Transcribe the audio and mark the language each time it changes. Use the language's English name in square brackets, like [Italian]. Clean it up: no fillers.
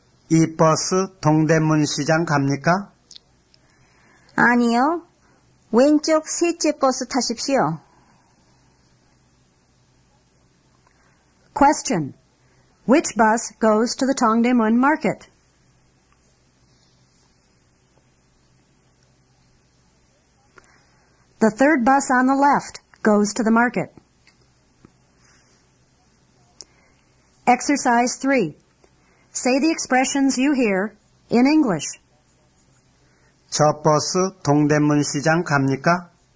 [Korean] 이 버스 동대문 시장 갑니까? 아니요. 왼쪽 셋째 버스 타십시오. [English] Question. Which bus goes to the Dongdaemun market? 3rd bus on the left goes to the market. Exercise 3. Say the expressions you hear in English. [Korean] 저 버스 동대문 시장 갑니까?